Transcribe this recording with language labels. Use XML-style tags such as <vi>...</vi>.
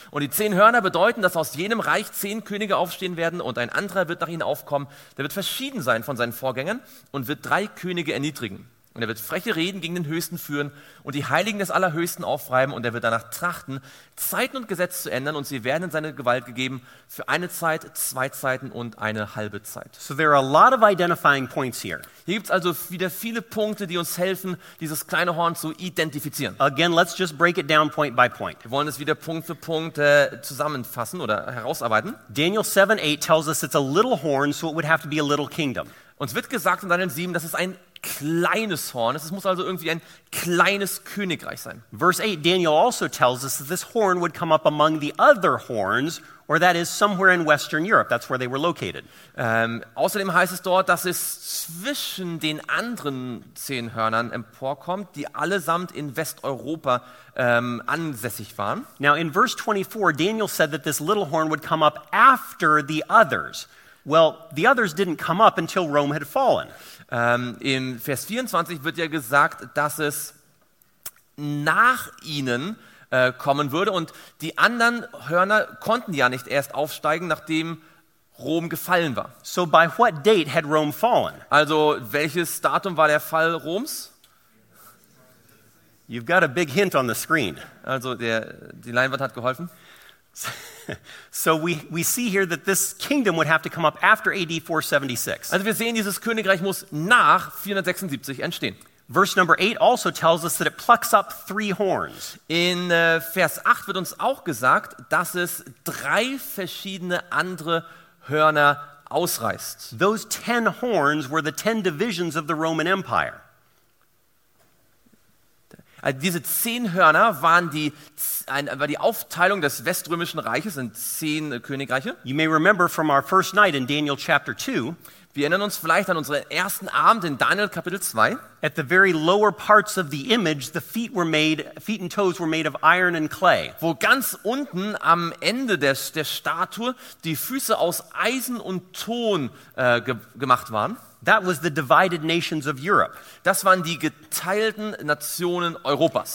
<de>Und die 10 Hörner bedeuten, dass aus jenem Reich 10 Könige aufstehen werden und ein anderer wird nach ihnen aufkommen. Der wird verschieden sein von seinen Vorgängern und wird 3 Könige erniedrigen. Und er wird freche Reden gegen den Höchsten führen und die Heiligen des Allerhöchsten aufreiben und er wird danach trachten, Zeiten und Gesetze zu ändern und sie werden in seine Gewalt gegeben für eine Zeit, 2 Zeiten und eine halbe Zeit.</de> <en>So there are a lot of identifying points here.</en> <de>Hier gibt es also wieder viele Punkte, die uns helfen, dieses kleine Horn zu identifizieren.</de> <en>Again, let's just break it down point by point.</en> <de>Wir wollen es wieder Punkt für Punkt zusammenfassen oder herausarbeiten.</de> <en>Daniel 7:8 tells us it's a little horn, so it would have to be a little kingdom.</en> <de>Uns wird gesagt in Daniel 7, dass es ein kleines Horn. Es muss also irgendwie ein kleines Königreich sein.</de> <en>Verse 8, Daniel also tells us that this horn would come up among the other horns, or that is somewhere in Western Europe. That's where they were located.</en> <de>Außerdem heißt es dort, dass es zwischen den anderen 10 Hörnern emporkommt, die allesamt in Westeuropa ansässig waren.</de> <en>Now in verse 24, Daniel said that this little horn would come up after the others. Well, the others didn't come up until Rome had fallen.</en> <de>Im Vers 24 wird ja gesagt, dass es nach ihnen kommen würde und die anderen Hörner konnten ja nicht erst aufsteigen, nachdem Rom gefallen war.</de> <en>So by what date had Rome fallen?</en> <de>Also welches Datum war der Fall Roms?</de> <en>You've got a big hint on the screen.</en> <de>Also die Leinwand hat geholfen.</de> <en>So we see here that this kingdom would have to come up after AD 476.</en> <de>Also wir sehen, dieses Königreich muss nach 476 entstehen.</de> <en>Verse number 8 also tells us that it plucks up 3 horns.</en> <de>In Vers 8 wird uns auch gesagt, dass es 3 verschiedene andere Hörner ausreißt.</de> <en>Those 10 horns were the 10 divisions of the Roman Empire.</en> <de>Also diese 10 Hörner waren die Aufteilung des Weströmischen Reiches in 10 Königreiche.</de> <en>You may remember from our first night in Daniel chapter 2.</en> <de>Wir erinnern uns vielleicht an unseren ersten Abend in Daniel Kapitel 2.</de> <en>At the very lower parts of the image, the feet and toes were made of iron and clay.</en> <de>Wo ganz unten am Ende der Statue die Füße aus Eisen und Ton gemacht waren.</de> <en>That was the divided nations of Europe.</en> <de>Das waren die geteilten Nationen Europas.</de>